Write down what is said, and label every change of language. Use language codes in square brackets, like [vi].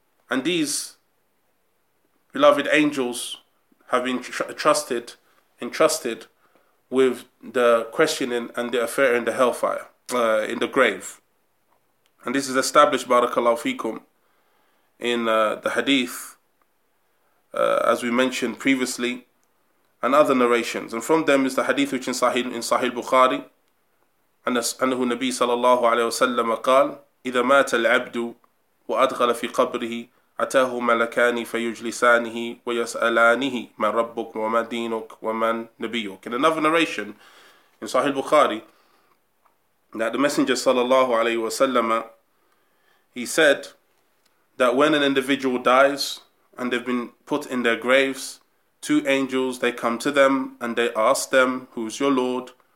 [en] And these beloved angels have been entrusted with the questioning and the affair in the hellfire, in the grave. And this is established, barakallahu fikum, in the hadith, as we mentioned previously, and other narrations. And from them is the hadith which in Sahih Bukhari, [ar] أنه نبي صلى الله عليه وسلم قال إذا مات العبد وأدخل في قبره أتاه ملكان فيجلسانه ويسألانه من ربك وما دينك ومن نبيك. [en] In another narration in Sahih Bukhari, that the Messenger [ar] صلى الله عليه وسلم, [en] he said that when an individual dies and they've been put in their graves, two angels, they come to them and they ask them, who's your Lord?